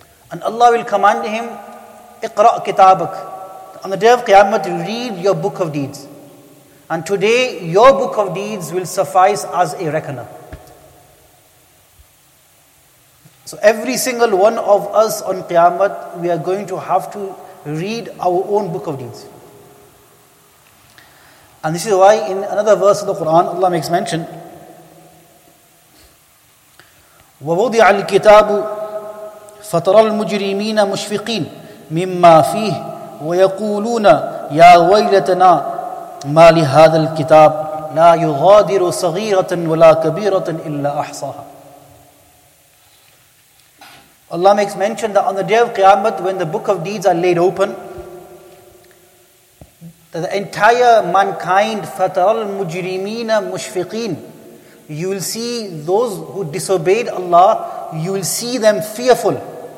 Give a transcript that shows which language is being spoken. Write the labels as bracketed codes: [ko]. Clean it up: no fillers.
[en] And Allah will command him, [ar] اِقْرَأْ كِتَابَكَ. [en] On the day of Qiyamah, read your book of deeds. And today, your book of deeds will suffice as a reckoner. So every single one of us on Qiyamah, we are going to have to read our own book of deeds. And this is why in another verse of the Quran, Allah makes mention, [ar] وَوَضِعَ الْكِتَابُ فَتَرَى الْمُجْرِمِينَ مُشْفِقِينَ مِمَّا فِيهِ وَيَقُولُونَ يَا وَيْلَتَنَا مَا لِهَذَا الْكِتَابِ لَا يُغَادِرُ صَغِيرَةً وَلَا كَبِيرَةً إِلَّا أَحْصَاهَا. [en] Allah makes mention that on the day of Qiyamah, when the book of deeds are laid open, that the entire mankind, [ar] فَتَرَى الْمُجْرِمِينَ مُشْفِقِينَ, [en] you will see those who disobeyed Allah, you will see them fearful.